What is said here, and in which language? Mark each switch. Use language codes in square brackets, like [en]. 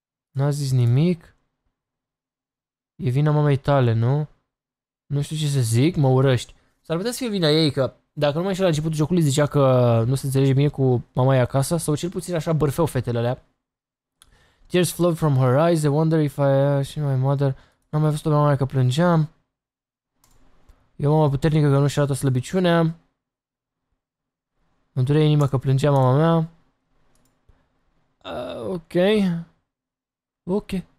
[ro] N-a zis nimic? E vina mamei tale, nu? Nu știu ce să zic, mă urăști. S-ar putea să fie vina ei, că dacă nu mai știu la începutul jocului, zicea că nu se înțelege bine cu mama ei acasă, sau cel puțin așa bârfeau fetele alea. [en] Tears flowed from her eyes, I wonder if I... și my mother... [ro] N-am mai văzut-o pe mama mea că plângeam. E o mamă puternică că nu-și arată slăbiciunea. Îmi durea inima că plângea mama mea. Ok. Ok.